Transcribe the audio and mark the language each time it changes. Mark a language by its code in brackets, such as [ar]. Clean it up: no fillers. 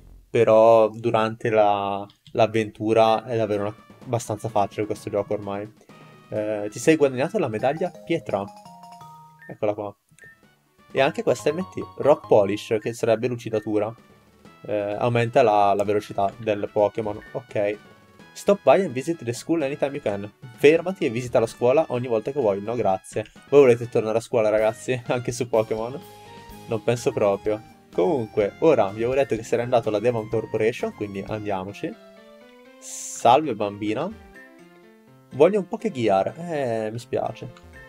[it] Però durante l'avventura è davvero abbastanza facile questo gioco ormai. Ti sei guadagnato la medaglia Pietra. Eccola qua. E anche questa MT, Rock Polish, che sarebbe lucidatura. Aumenta la velocità del Pokémon. Ok. [en] Stop by and visit the school anytime you can. [it] Fermati e visita la scuola ogni volta che vuoi. No, grazie. Voi volete tornare a scuola, ragazzi? Anche su Pokémon? Non penso proprio. Comunque, ora vi avevo detto che sarei andato alla Devon Corporation, quindi andiamoci. Salve bambina. Voglio un Pokéghiar. Mi spiace.